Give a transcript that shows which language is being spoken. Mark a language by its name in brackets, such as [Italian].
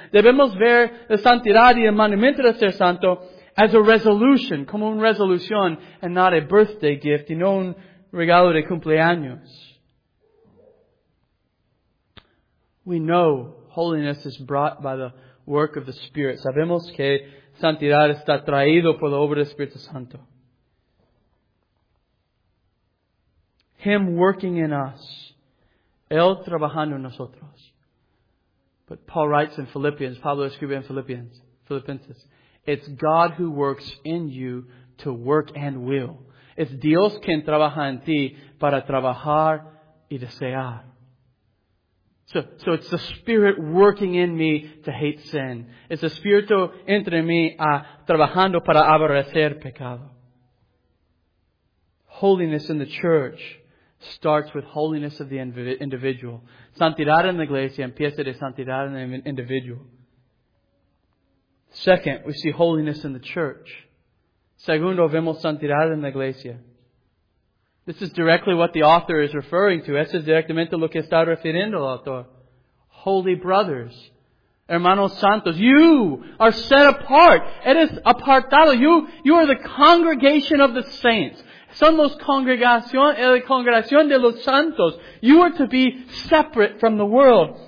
[Spanish] Debemos ver la santidad y el mandamiento de ser santo [English] as a resolution, [Spanish] como una resolución, [English] and not a birthday gift, [Spanish] y no un regalo de cumpleaños. [English] We know holiness is brought by the work of the Spirit. [Spanish] Sabemos que santidad está traído por la obra del Espíritu Santo. [English] Him working in us. [Spanish] Él trabajando en nosotros. [English] But Paul writes in Philippians, [Spanish] Pablo escribe en Filipenses, [English] it's God who works in you to work and will. [Spanish] Es Dios quien trabaja en ti para trabajar y desear. [English] So it's the Spirit working in me to hate sin. It's the Spirit [Spanish] entre mí trabajando para aborrecer pecado. [English] Holiness in the church starts with holiness of the individual. [Spanish] Santidad en la iglesia empieza de santidad en el individual. [English] Second, we see holiness in the church. [Spanish] Segundo, vemos santidad en la iglesia. [English] This is directly what the author is referring to. [Spanish] Eso es directamente lo que está refiriendo el autor. [English] Holy brothers. [Spanish] Hermanos santos, [English] you are set apart. [Spanish] Eres apartado. [English] You are the congregation of the saints. [Spanish] Son los congregación, la congregación de los santos. [English] You are to be separate from the world.